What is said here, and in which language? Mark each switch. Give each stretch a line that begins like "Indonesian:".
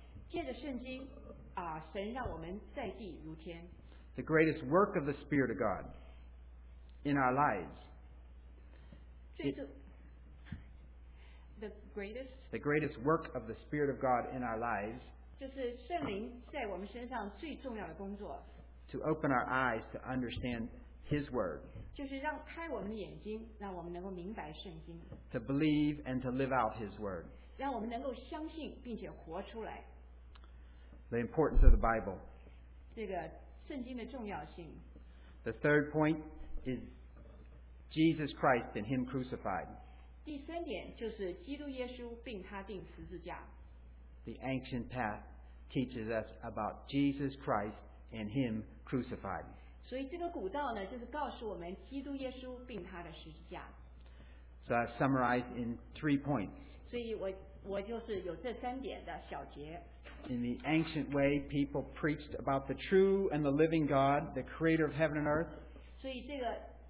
Chinese: 借着圣经，神让我们在地如天。
English: The greatest work of the Spirit of God in our lives. The greatest work of the Spirit of God in our lives.
Chinese: 就是圣灵在我们身上最重要的工作。
English: To open our eyes to understand His Word.
Chinese: 就是让开我们的眼睛，让我们能够明白圣经。
English: To believe and to live out His Word.
Chinese: 让我们能够相信并且活出来。
English: The importance of the Bible.
Chinese: 这个圣经的重要性。
English: The third point is Jesus Christ and Him crucified.
Chinese: 第三点就是基督耶稣并他钉十字架。
English: The ancient path teaches us about Jesus Christ and Him crucified.
Chinese: 所以这个古道呢，就是告诉我们基督耶稣并他的十字架。
English: So I've summarized in 3 points.
Chinese: 所以我就是有这三点的小结。
English: In the ancient way, people preached about the true and the living God, the Creator of heaven and earth.